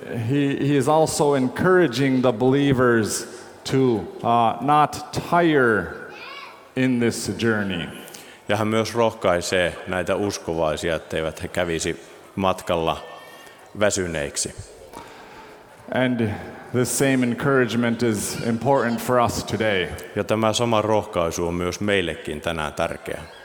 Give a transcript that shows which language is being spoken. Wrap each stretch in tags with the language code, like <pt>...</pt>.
<en>he is also encouraging the believers to not tire in this journey.</en> <fi>Ja hän myös rohkaisee näitä uskovaisia, etteivät he kävisi matkalla väsyneiksi.</fi> <en>And the same encouragement is important for us today.</en> <fi>Ja tämä sama rohkaisu on myös meillekin tänään tärkeä.</fi>